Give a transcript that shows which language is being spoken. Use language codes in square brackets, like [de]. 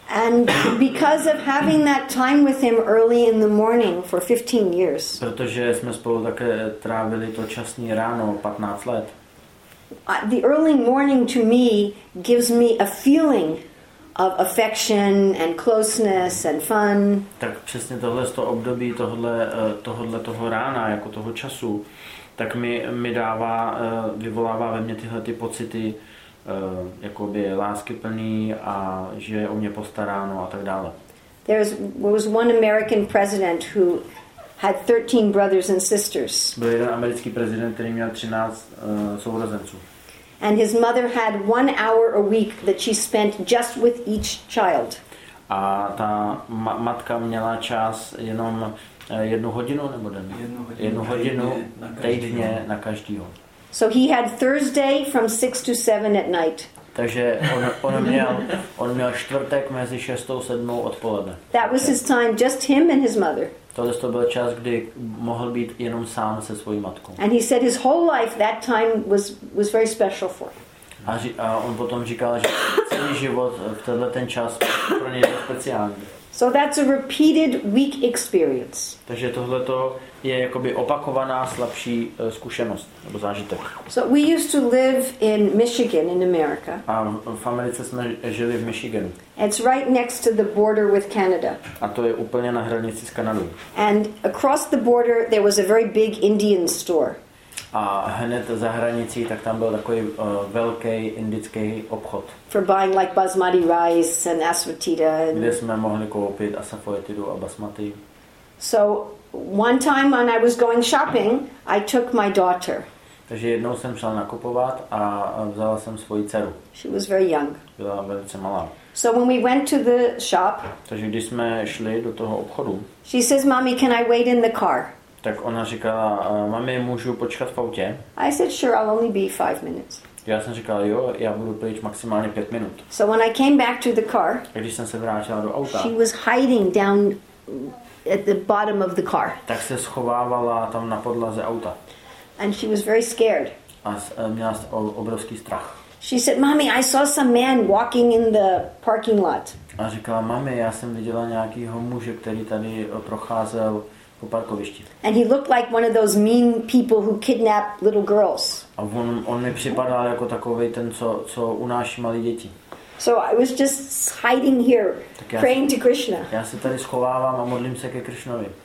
[en] And because of having that time with him early in the morning for 15 years. [cs] Protože jsme spolu také trávili to časné ráno 15 let. [en] The early morning to me gives me a feeling of affection and closeness and fun. [cs] Tak přesně tohle to období tohle toho rána jako toho času, tak mi dává vyvolává ve mně tyhle ty pocity. Jakoby láskyplný a že je o mě postaráno a tak dále. [en] There was one American president who had 13 brothers and sisters. [cs] Byl jeden americký prezident, který měl 13 sourozenců. [en] And his mother had 1 hour a week that she spent just with each child. [cs] A ta matka měla čas jenom jednu hodinu nebo den? Jednu hodinu týdně na každýho. [en] So he had Thursday from 6 to 7 at night. [cs] Takže on měl čtvrtek mezi 6 a 7 odpoledne. [en] That was his time just him and his mother. [cs] Tohle to byl čas, kdy mohl být jenom sám se svojí matkou. [en] And he said his whole life that time was very special for him. [cs] A on potom říkal, že celý život v tenhle ten čas pro něj byl speciální. [en] So that's a repeated weak experience. [cs] Takže tohle to je jakoby opakovaná slabší zkušenost nebo zážitek. [en] So we used to live in Michigan in America. [cs] A v Americe jsme žili v Michiganu. [en] It's right next to the border with Canada. [cs] A to je úplně na hranici s Kanadou. [en] And across the border there was a very big Indian store. [cs] A hned za hranicí tak tam byl takový velký indický obchod. [en] For buying like basmati rice and asafoetida. [cs] Kde jsme mohli koupit asafoetidu a basmati. [en] So one time when I was going shopping, I took my daughter. [cs] Takže jednou jsem šel nakupovat a vzala jsem svoji dceru. [en] She was very young. [cs] Byla velice malá. [en] So when we went to the shop, [cs] takže když jsme šli do toho obchodu, [en] she says, "Mommy, can I wait in the car?" [cs] Tak ona říkala, "Mami, můžu počkat v autě?" [en] I said, "Sure, I'll only be 5 minutes." [cs] Já jsem říkal, jo, já budu pryč maximálně 5 minut. [en] So when I came back to the car, [cs] když jsem se vrátila do auta, [en] she was hiding down at the bottom of the car. [cs] Tak se schovávala tam na podlaze auta. [en] And she was very scared. [cs] A měla obrovský strach. [en] She said, "Mommy, I saw some man walking in the parking lot." [cs] A říkala, "Mami, já jsem viděla nějakýho muže, který tady procházel po parkovišti." [en] And he looked like one of those mean people who kidnap little girls. [cs] A on mi připadal jako takovej ten, co unáší malé děti. [en] So I was just hiding here, praying to Krishna. [cs] Já se tady schovávám a modlím se ke Krishnovi.